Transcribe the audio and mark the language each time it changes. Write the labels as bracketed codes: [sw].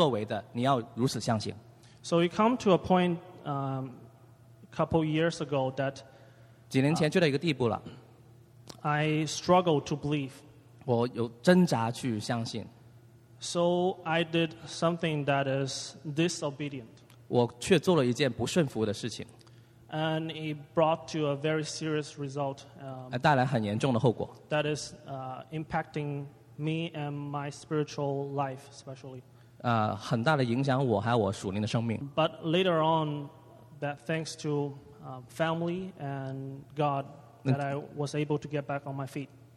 [zh] 我总是听到就是，这就是那个该遵从的原则，这就是当初发生在我们家庭、发生在我们身上的神是这样作为的，你要如此相信。 [en] So you come to a point a couple years ago that [zh] 几年前去到一个地步了。 [en] I struggle to believe. [zh] 我有挣扎去相信。 [en] So I did something that is disobedient. [zh] 我却做了一件不顺服的事情。 [en] And it brought to a very serious result. [zh] 带来很严重的后果。 [en] That is impacting me and my spiritual life, especially. [zh] 很大的影响我还有我属灵的生命。 [en] But later on, that thanks to family and God, that I was able to get back on my feet.